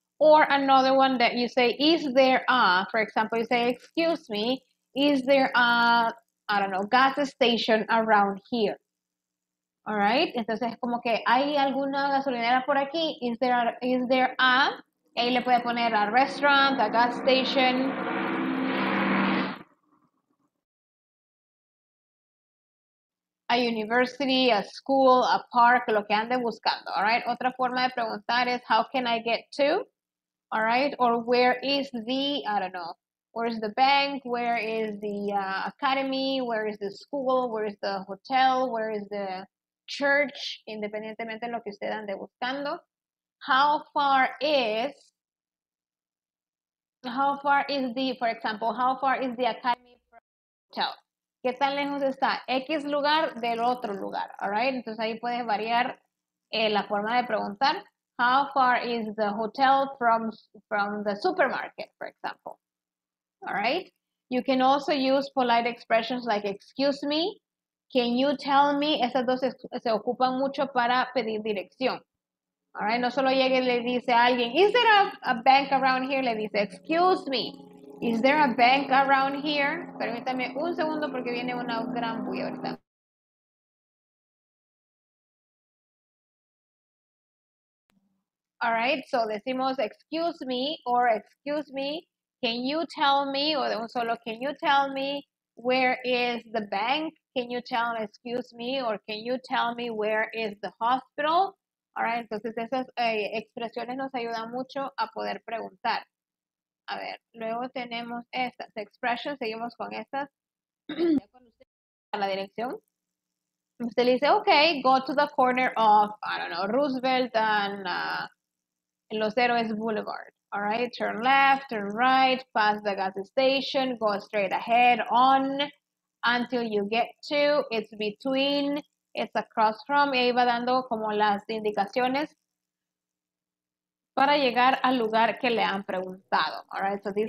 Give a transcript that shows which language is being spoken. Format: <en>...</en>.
<en>Or another one that you say, is there a, for example, you say, excuse me, is there a, I don't know, gas station around here? All right?</en> <es>Entonces, como que, ¿hay alguna gasolinera por aquí?</es> <en>Is there a,</en> <es>y ahí le puede poner</es> <en>a restaurant, a gas station. A university, a school, a park,</en> <es>lo que ande buscando.</es> <en>All right?</en> <es>Otra forma de preguntar es,</es> <en>how can I get to? All right, or where is the, I don't know, where is the bank, where is the academy, where is the school, where is the hotel, where is the church,</en> <es>independientemente de lo que usted ande buscando.</es> <en>How far is the, for example, how far is the academy from the hotel?</en> <es>¿Qué tan lejos está? X lugar del otro lugar, all right? Entonces ahí puedes variar la forma de preguntar.</es> <en>How far is the hotel from the supermarket, for example? All right. You can also use polite expressions like, excuse me, can you tell me?</en> <es>Esas dos se ocupan mucho para pedir dirección. All right. No solo llegue y le dice a alguien,</es> <en>is there a bank around here?</en> <es>Le dice,</es> <en>excuse me, is there a bank around here?</en> <es>Permítame un segundo porque viene una gran bulla ahorita.</es> <en>All right, so decimos, excuse me, or excuse me, can you tell me, or</en> <es>de un solo,</es> <en>can you tell me where is the bank? Can you tell, excuse me, or can you tell me where is the hospital?</en> <es>All right, entonces esas expresiones nos ayudan mucho a poder preguntar. A ver, luego tenemos estas expresiones, seguimos con estas. Ya cuando usted va a la dirección, usted le dice,</es> <en>okay, go to the corner of, I don't know, Roosevelt and... Los Héroes Boulevard, all right? Turn left, turn right, past the gas station, go straight ahead, on, until you get to, it's between, it's across from,</en> <es>y ahí va dando como las indicaciones para llegar al lugar que le han preguntado,</es> <en>all right? So these</en>